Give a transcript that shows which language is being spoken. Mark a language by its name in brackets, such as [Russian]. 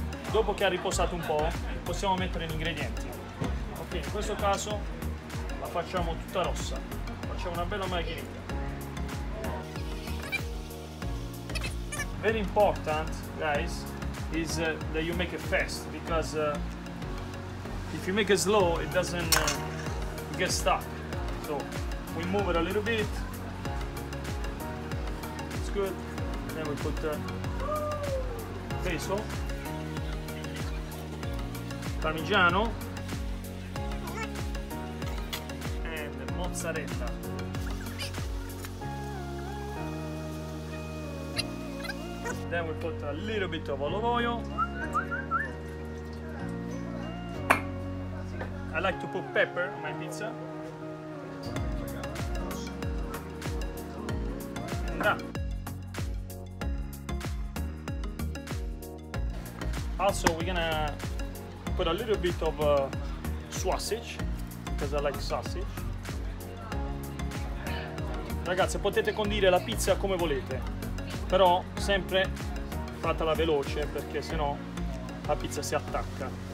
[Italian] Dopo che ha riposato un po', possiamo mettere gli ingredienti. Ok, in questo caso facciamo tutta rossa, facciamo una bella margherita. [English] Very important, guys, is that you make it fast, because if you make it slow, it doesn't get stuck. So we move it a little bit, it's good. And then we put the basil, parmigiano, mozzarella. Then we put a little bit of olive oil. I like to put pepper on my pizza. And that. Also, we're gonna put a little bit of sausage, because I like sausage. [Italian] Ragazzi, potete condire la pizza come volete, però sempre fatela veloce, perché sennò la pizza si attacca.